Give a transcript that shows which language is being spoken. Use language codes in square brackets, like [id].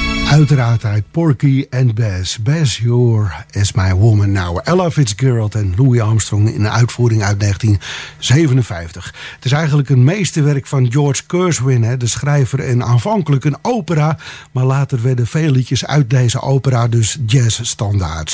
[nl] Uiteraard uit Porky and Bess. [en] Bess, your is my woman now. [nl] Ella Fitzgerald en Louis Armstrong in een uitvoering uit 1957. Het is eigenlijk een meesterwerk van George Gershwin, hè, de schrijver, en aanvankelijk een opera. Maar later werden veel liedjes uit deze opera dus jazzstandaards.